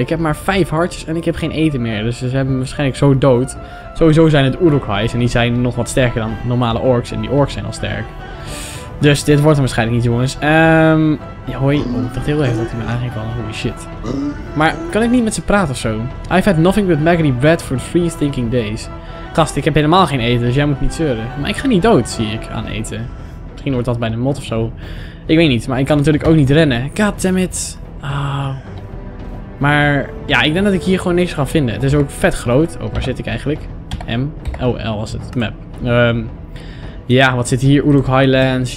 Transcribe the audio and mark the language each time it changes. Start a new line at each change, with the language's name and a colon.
Dutch: Ik heb maar 5 hartjes en ik heb geen eten meer. Dus ze hebben me waarschijnlijk zo dood. Sowieso zijn het Uruk-hais en die zijn nog wat sterker dan normale orks. En die orks zijn al sterk. Dus dit wordt hem waarschijnlijk niet, jongens. Ja, hoi. Oh, ik dacht heel even dat hij me aanging vallen.
English: Holy shit.
Dutch: Maar kan ik niet met ze praten of zo?
English: I've had nothing but Maggoty Bread for 3 stinking days.
Dutch: Gast, ik heb helemaal geen eten, dus jij moet niet zeuren. Maar ik ga niet dood, zie ik, aan eten. Misschien wordt dat bij de mot of zo. Ik weet niet, maar ik kan natuurlijk ook niet rennen.
English: God damn it.
Dutch: Oh. Maar ja, ik denk dat ik hier gewoon niks ga vinden. Het is ook vet groot. Oh, waar zit ik eigenlijk? M. Oh, L was het. Map. Ja, wat zit hier? Uruk Highlands.